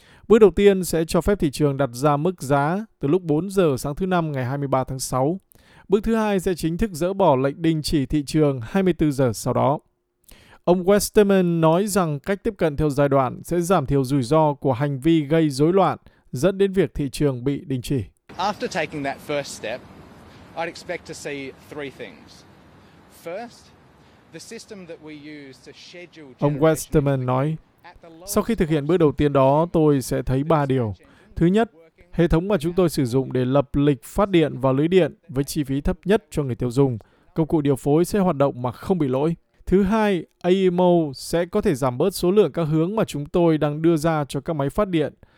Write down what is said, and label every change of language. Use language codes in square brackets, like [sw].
[vi] Bước đầu tiên sẽ cho phép thị trường đặt ra mức giá từ lúc 4 giờ sáng thứ Năm ngày 23 tháng 6. Bước thứ hai sẽ chính thức dỡ bỏ lệnh đình chỉ thị trường 24 giờ sau đó. Ông Westerman nói rằng cách tiếp cận theo giai đoạn sẽ giảm thiểu rủi ro của hành vi gây rối loạn dẫn đến việc thị trường bị đình chỉ. [en] After taking that first step, I'd expect to see three things. First, the system that we use to schedule. [vi] Ông Westerman nói, sau khi thực hiện bước đầu tiên đó, tôi sẽ thấy ba điều. Thứ nhất, hệ thống mà chúng tôi sử dụng để lập lịch phát điện vào lưới điện với chi phí thấp nhất cho người tiêu dùng, công cụ điều phối sẽ hoạt động mà không bị lỗi. Thứ hai, AEMO sẽ có thể giảm bớt số lượng các hướng mà chúng tôi đang đưa ra cho các máy phát điện.